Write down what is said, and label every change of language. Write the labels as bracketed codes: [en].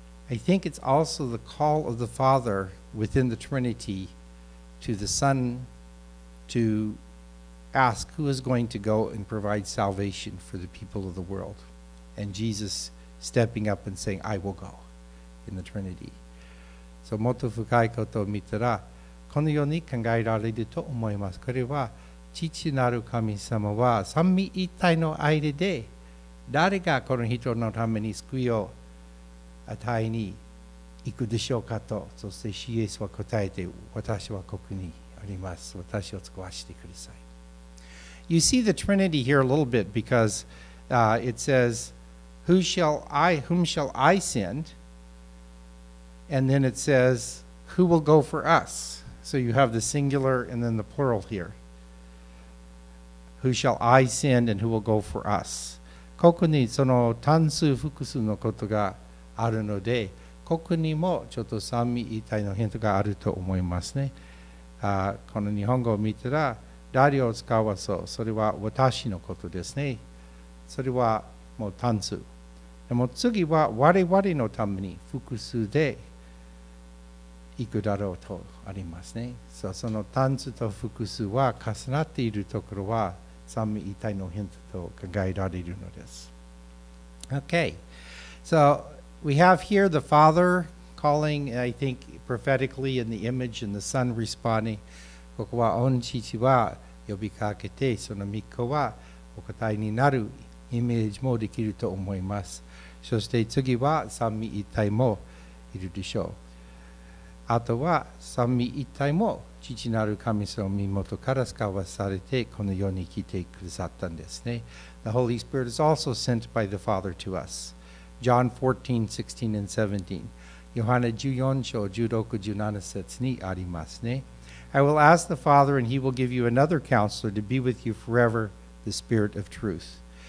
[en] I think it's also the call of the Father within the Trinity to the Son to... Ask who is going to go and provide salvation for the people of the world, and Jesus stepping up and saying, "I will go," in the Trinity. [ja] So, もっと深いことを見たら、このように考えられると思います。これは父なる神様は三位一体の間で誰がこの人のために救いを与えに行くでしょうかと、そしてシエスは答えて、私はここにあります。私を使わせてください。 [en] You see the Trinity here a little bit because it says, whom shall I send? And then it says, who will go for us? So you have the singular and then the plural here. Who shall I send and who will go for us? [ja] ここにその単数複数のことがあるので、ここにもちょっと三位一体のヒントがあると思いますね。この日本語を見たら、誰を使わそう、それは私のことですね。それはもう単数。でも次は我々のために複数で行くだろうとありますね。その単数と複数は重なっているところは三位一体のヒントと考えられるのです。 [en] Okay. So we have here the Father calling, I think, prophetically in the image and the Son responding. [ja] ここは御父は呼びかけて、その御子はお答えになるイメージもできると思います。そして次は三位一体もいるでしょう。あとは三位一体も父なる神様の身元から使わされてこの世に来てくださったんですね。 [en] The Holy Spirit is also sent by the Father to us. John 14, 16 and 17. [ja] ヨハネ14章16、17節にありますね。 [en] I will ask the Father, and he will give you another counselor to be with you forever, the Spirit of Truth.